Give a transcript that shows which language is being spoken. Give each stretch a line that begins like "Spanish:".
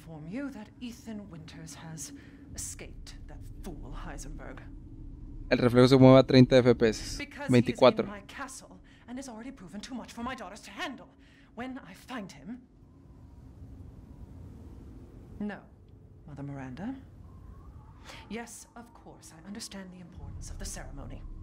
English: You that Ethan Winters has escaped that fool Heisenberg.
Spanish: El reflejo se mueve a 30 FPS. 24.
English: He's in my castle and has already proven too much for my daughters to handle. When I find him. No, Mother Miranda. Yes, of course, I understand the importance of the ceremony.